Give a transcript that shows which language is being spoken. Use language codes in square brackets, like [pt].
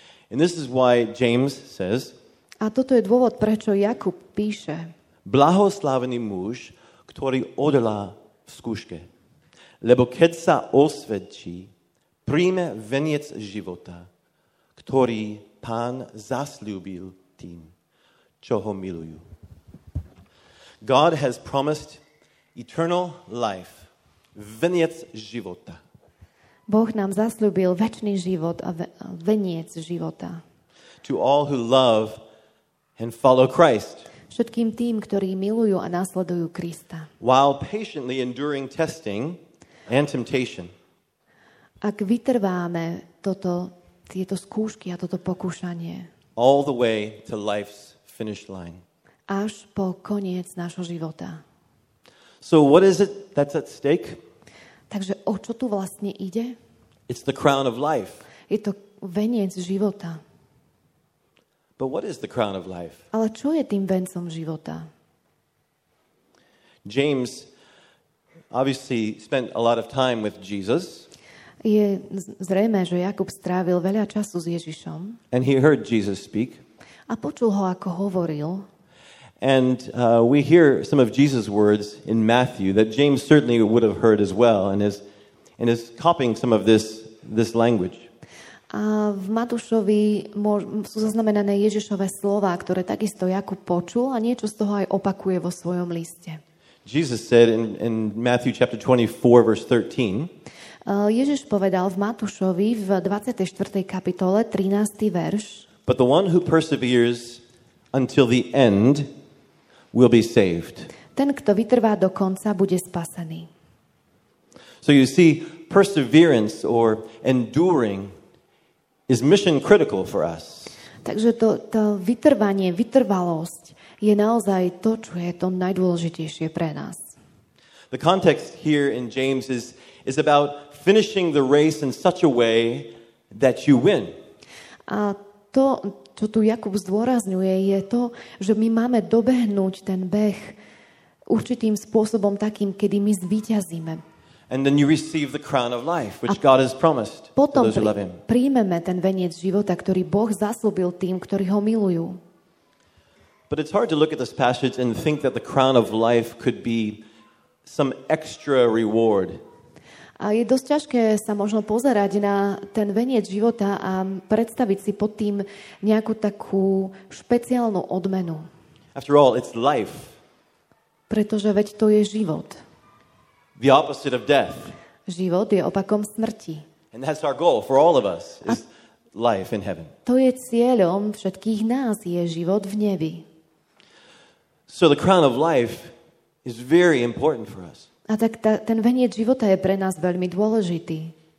[en] And this is why James says. [sk] A toto je dôvod, prečo Jakub píše. Blahoslavený muž, ktorý odolá v skúške. Lebo keď sa osvedčí, príjme veniec života, ktorý Pán zasľúbil tým, čo ho milujú. [en] God has promised eternal life, [sk] veniec života. Boh nám zasľúbil večný život a veniec života. [en] To all who love and follow Christ. [sk] Všetkým tým, ktorí milujú a nasledujú Krista. [en] While patiently enduring testing and temptation. [sk] ak vytrváme toto, tieto skúšky a toto pokúšanie. [en] All the way to life's finish line. [sk] Až po koniec nášho života. [en] So what is it that's at stake? [sk] Takže o čo tu vlastne ide? [en] It's the crown of life. [sk] Je to veniec života. [en] But what is the crown of life? [sk] Ale čo je tým vencom života? [en] James obviously spent a lot of time with Jesus. [sk] Je zrejmé, že Jakub strávil veľa času s Ježišom. [en] And he heard Jesus speak. [sk] A počul ho, ako hovoril. [en] And we hear some of Jesus' words in Matthew that James certainly would have heard as well and is copying some of this language. [sk] A v Matúšovi sú zaznamenané Ježišove slová, ktoré takisto Jakub počul a niečo z toho aj opakuje vo svojom liste. [en] Jesus said in Matthew chapter 24 verse 13. [sk] Ježiš povedal v Matúšovi v 24. kapitole 13. verš. [en] But the one who perseveres until the end will be saved. [sk] Ten, kto vytrvá do konca, bude spasený. [en] So you see, perseverance or enduring is mission critical for us. [sk] Takže to vytrvanie, vytrvalosť je naozaj to, čo je to najdôležitejšie pre nás. [en] The context here in James is about finishing the race in such a way that you win. [sk] A to, čo tu Jakub zdôrazňuje, je to, že my máme dobehnúť ten beh určitým spôsobom takým, kedy my zvíťazíme. [en] And then you receive the crown of life, which God has promised to those who love him. [sk] Potom príjmeme ten veniec života, ktorý Boh zasľúbil tým, ktorí ho milujú. [en] But it's hard to look at this passage and think that the crown of life could be some extra reward. [sk] A je dosť ťažké sa možno pozerať na ten veniec života a predstaviť si pod tým nejakú takú špeciálnu odmenu. [en] After all, it's life. [sk] Pretože veď to je život. [en] The opposite of death. [sk] Život je opakom smrti. [en] And that's our goal for all of us, is life in heaven. [sk] To je cieľom všetkých nás, je život v nebi. [en] So the crown of life is very important for us. [sk] A tak ten veniec života je pre nás veľmi dôležitý.